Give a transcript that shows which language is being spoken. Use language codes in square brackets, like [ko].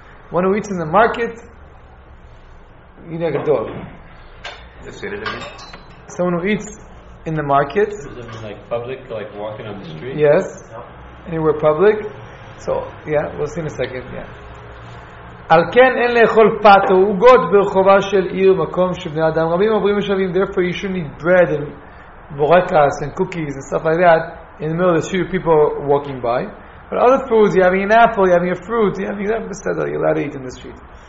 [en] One who eats in the market, eat like a dog. Someone who eats in the market. Is it in like public, like walking on the street? Yes. Anywhere public. So, yeah, we'll see in a second, yeah. [he] על כן אין לאכול פת או עוגות ברחובה של עיר מקום שבני אדם רבים עוברים ושבים. [en] Therefore you shouldn't eat bread and burekas and cookies and stuff like that in the middle of the street people walking by. But other foods, you're having an apple, you're having a fruit, you're having that bestedah, you're allowed to eat in the street.